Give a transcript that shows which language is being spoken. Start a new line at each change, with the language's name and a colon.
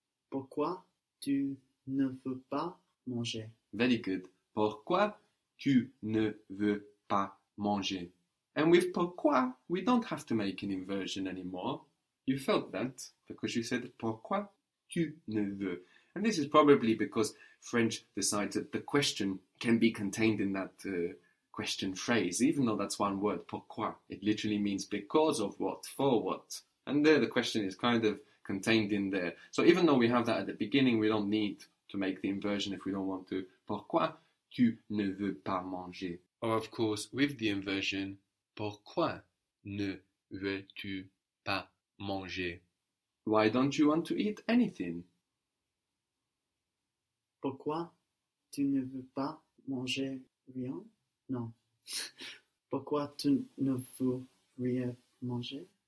French: Pourquoi tu ne veux pas manger?
English: Very good.
French: Pourquoi tu ne veux pas manger?
English: And with pourquoi, we don't have to make an inversion anymore. You felt that because you said
French: pourquoi tu ne veux.
English: And this is probably because French decides that the question can be contained in that question phrase, even though that's one word, pourquoi. It literally means because of what, for what. And there the question is kind of contained in there. So even though we have that at the beginning, we don't need to make the inversion if we don't want to.
French: Pourquoi tu ne veux pas manger?
English: Or of course, with the inversion,
French: pourquoi ne veux-tu pas manger?
English: Why don't you want to eat anything?
French: Pourquoi tu ne veux pas manger rien? Non. Pourquoi tu ne veux rien manger?